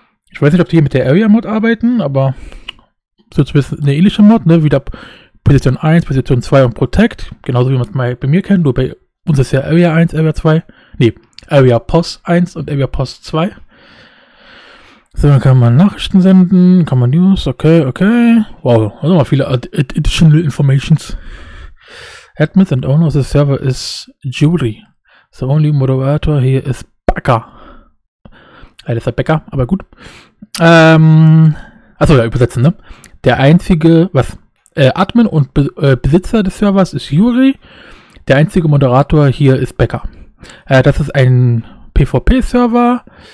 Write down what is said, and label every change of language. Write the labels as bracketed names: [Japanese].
[German] Ich weiß nicht, ob die hier mit der Area Mod arbeiten, aber so zumindest eine ähnliche Mod, ne, wieder Position 1, Position 2 und Protect. Genauso wie man es bei mir kennt, nur bei uns ist ja Area 1, Area 2. Ne, Area Post 1 und Area Post 2. So, dann kann man Nachrichten senden, kann man News, okay, okay. [English] Wow, [German] also mal viele [English] additional informations. Admins and owner of the server is Jury. The only moderator here is Becker. [German] Ja, das ist der Becker, aber gut. Achso, ja, übersetzen, ne? Der einzige, was? Admin und Besitzer des Servers ist Jury. Der einzige Moderator hier ist Becker. Das ist ein PvP-Server.